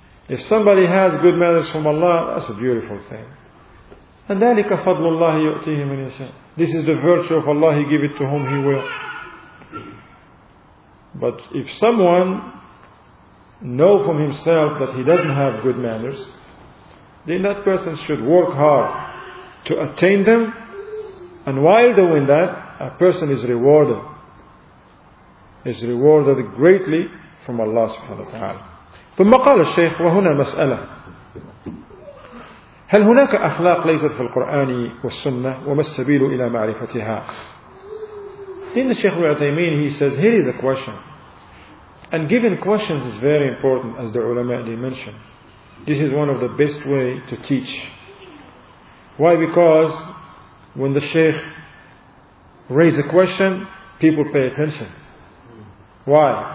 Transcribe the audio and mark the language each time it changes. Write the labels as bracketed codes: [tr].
[en] If somebody has good manners from Allah, that's a beautiful thing. [ar] And ذَلِكَ فَضْلُ اللَّهِ يُؤْتِيهِ مَنْ يَشَاءُ. [en] This is the virtue of Allah, He give it to whom He will. But if someone knows from himself that he doesn't have good manners, then that person should work hard to attain them. And while doing that, a person is rewarded. Is rewarded greatly from Allah subhanahu wa ta'ala. [ar] ثم قال الشيخ وهنا مسألة هل هناك أخلاق ليست في القرآن والسنة وما السبيل إلى معرفتها؟ [en] Then the Sheikh Al-Uthaymeen, he says, here is a question. And giving questions is very important, as the ulama they mentioned. This is one of the best way to teach. Why? Because when the Sheikh raises a question, people pay attention. Why?